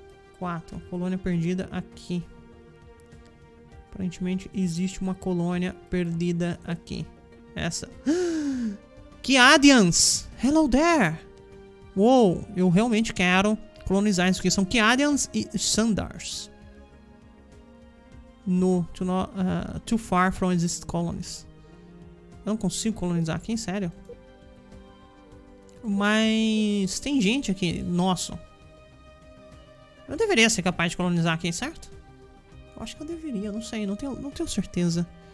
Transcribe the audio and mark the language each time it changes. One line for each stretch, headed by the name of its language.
Portuguese: B4. Colônia perdida aqui. Aparentemente existe uma colônia perdida aqui. Essa. Kiadians!
English: Hello there!
Portuguese: Uou, eu realmente quero colonizar isso aqui. São Kiadians e Sundars.
English: No, too far from exist colonies.
Portuguese: Eu não consigo colonizar aqui, sério. Mas tem gente aqui, nossa. Eu deveria ser capaz de colonizar aqui, certo? Eu acho que eu deveria, não sei, não tenho certeza.